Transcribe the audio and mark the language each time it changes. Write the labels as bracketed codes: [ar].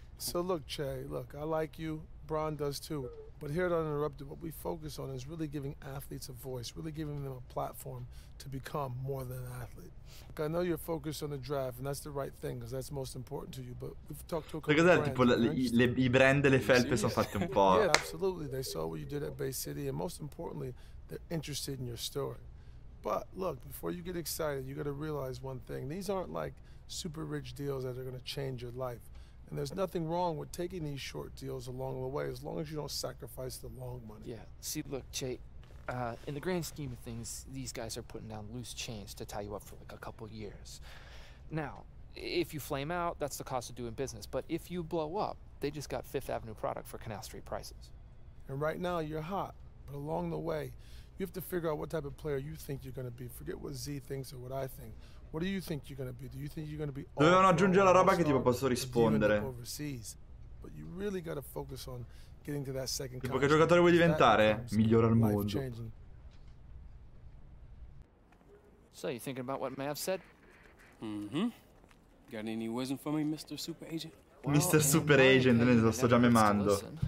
[en] So look, Che, look, I like you. Bron does too. But here at Uninterrupted, what we focus on is really giving athletes a voice, really giving them a platform to become more than an athlete. Like, I know you're focused on the draft, and that's the right thing, because that's most important to you, but we've talked to a couple of brands. [it] Tipo, i brand e le felpe sono fatte un po'. [en] Yeah, absolutely. They saw what you did at Bay City, and most importantly, they're interested in your story. But look, before you get excited, you gotta realize one thing. These aren't like super rich deals that are gonna change your life. And there's nothing wrong with taking these short deals along the way, as long as you don't sacrifice the long money. Yeah, see, look, Che, in the grand scheme of things, these guys are putting down loose change to tie you up for like a couple years. Now, if you flame out, that's the cost of doing business. But if you blow up, they just got Fifth Avenue product for Canal Street prices. And right now, you're hot. But along the way, you have to figure out what type of player you think you're going to be. Forget what Z thinks or what I think. What do you think you're going to be? Do you think you're going to be... [it] Dovevano aggiungere la roba che tipo posso rispondere. [en] But you really got to focus on getting to that second [it] tipo, che giocatore vuoi diventare? Migliore al mondo. [en] So, you thinking about what Mav said? Mm-hmm. Got any wisdom for me, Mr. Super Agent? Well, Mr. Super Agent, [it] ne sto già memando.